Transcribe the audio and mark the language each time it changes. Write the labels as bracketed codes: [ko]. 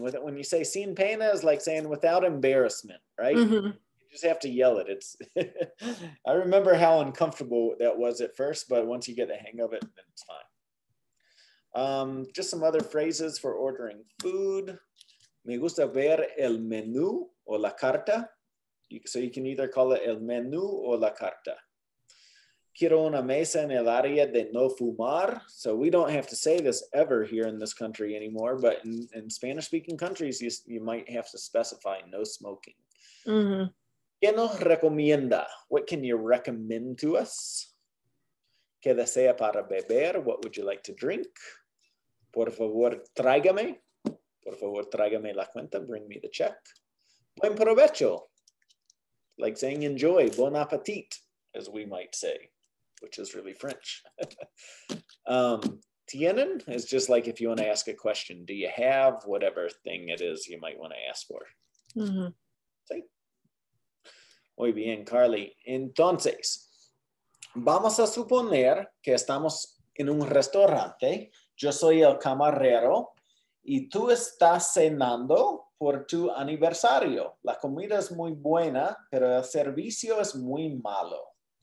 [en] When you say [es] sin pena, [en] is like saying without embarrassment, right? Mm-hmm. You just have to yell it. It's. I remember how uncomfortable that was at first, but once you get the hang of it, then it's fine. Just some other phrases for ordering food. [es] Me gusta ver el menú o la carta. [en] So you can either call it [es] el menú o la carta. Quiero una mesa en el área de no fumar. [en] So we don't have to say this ever here in this country anymore, but in Spanish-speaking countries, you might have to specify no smoking. Mm-hmm. [es] ¿Qué nos recomienda? [en] What can you recommend to us? [es] ¿Qué desea para beber? [en] What would you like to drink? [es] Por favor, tráigame. Por favor, tráigame la cuenta. [en] Bring me the check. [es] Buen provecho. [en] Like saying enjoy. Bon appetit, as we might say. Which is really French. Tienen is just like if you want to ask a question, do you have whatever thing it is you might want to ask for? Mm-hmm. [es] Sí. Muy bien, Carly. Entonces, vamos a suponer que estamos en un restaurante. Yo soy el camarero y tú estás cenando por tu aniversario. La comida es muy buena, pero el servicio es muy malo.